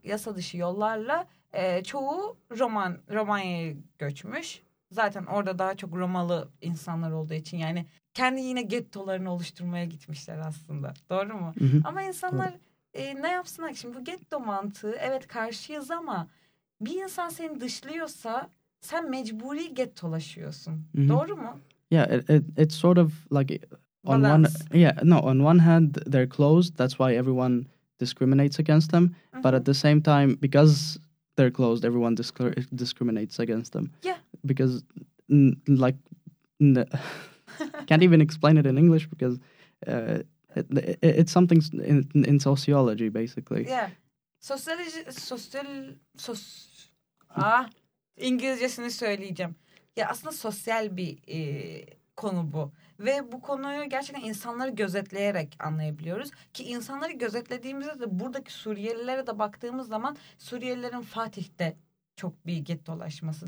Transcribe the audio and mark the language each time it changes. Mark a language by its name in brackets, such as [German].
[Turkish] Yasa dışı yollarla çoğu Romanya'ya göçmüş. Zaten orada daha çok Romalı insanlar olduğu için yani kendi yine gettolarını oluşturmaya gitmişler aslında. Doğru mu? Ama insanlar ne yapsınlar ki? Şimdi bu getto mantığı evet karşıyız ama bir insan seni dışlıyorsa sen mecburi gettolaşıyorsun. Doğru mu? [English] Yeah, it's sort of like on one hand they're closed, that's why everyone discriminates against them. Mm-hmm. But at the same time, because they're closed, everyone discriminates against them. Yeah. Because can't even explain it in English because it's something in sociology basically. [Turkish] Yeah, İngilizcesini söyleyeceğim. Ya aslında sosyal bir konu bu. Ve bu konuyu gerçekten insanları gözetleyerek anlayabiliyoruz. Ki insanları gözetlediğimizde de buradaki Suriyelilere de baktığımız zaman Suriyelilerin Fatih'te çok bir gettolaşması.